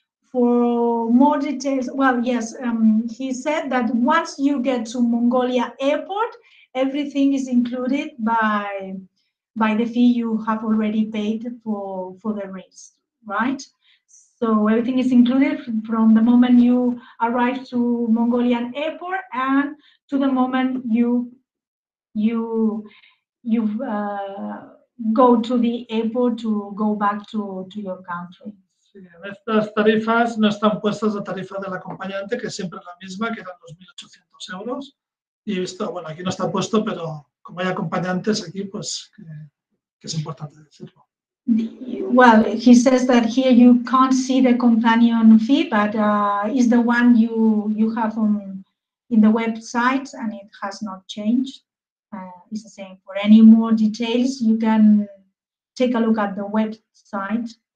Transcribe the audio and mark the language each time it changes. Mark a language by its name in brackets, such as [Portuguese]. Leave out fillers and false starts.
[English] For more details, well, yes, he said that once you get to Mongolia Airport, everything is included by the fee you have already paid for the race, right? So everything is included from the moment you arrive to Mongolian Airport and to the moment you go to the airport to go back to your country. [Spanish] Sí, estas tarifas no están puestas la tarifa del acompañante, que siempre es la misma, que eran los 1.800 euros. Y esto, bueno, aquí no está puesto, pero como hay acompañantes aquí, pues que es importante decirlo. [English] Well, he says that here you can't see the companion fee, but is the one you have in the website, and it has not changed. It's the same. For any more details, you can take a look at the website.